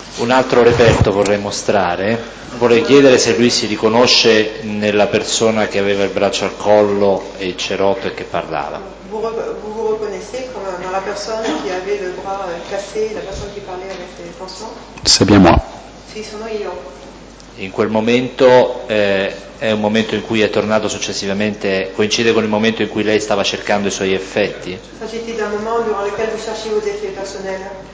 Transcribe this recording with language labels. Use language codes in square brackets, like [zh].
[it] Altro reperto vorrei mostrare, vorrei chiedere se lui si riconosce nella persona che aveva il braccio al collo e il cerotto e che parlava. [fr] Vous vous reconnaissez comme la personne qui avait le bras cassé, [it] la persona che parlava [fr] avec les tensions? C'est bien moi. [it] Sì, sono io. In quel momento è un momento in cui è tornato successivamente, coincide con il momento in cui lei stava cercando i suoi effetti? [fr] S'agit-il d'un moment durant lequel vous cherchiez vos effets personnels?